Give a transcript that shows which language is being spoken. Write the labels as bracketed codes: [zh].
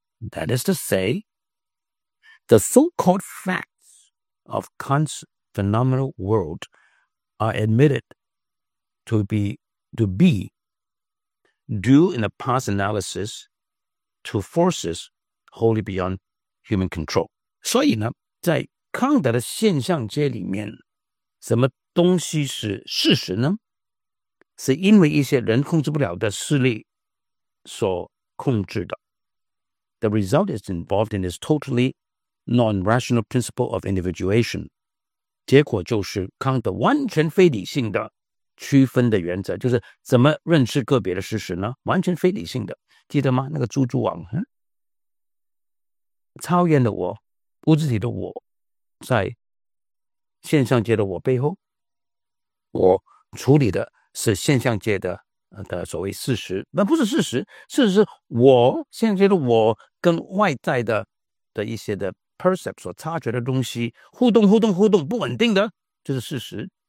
[en] That is to say, the so-called facts of Kant's phenomenal world are admitted to be due in a past analysisto forces wholly beyond human control. [zh] 所以呢，在康德的现象界里面，什么东西是事实呢？是因为一些人控制不了的势力所控制的。 [en] The result is involved in this totally non-rational principle of individuation. [zh] 结果就是康德完全非理性的区分的原则，就是怎么认识个别的事实呢？完全非理性的。记得吗？那个猪猪网、超验的我，物质体的我，在现象界的我背后，我处理的是现象界 的所谓事实，那不是事实，事实是我现象界的我跟外在 的一些的 percept 所察觉的东西互动互动互动不稳定的，就是事实。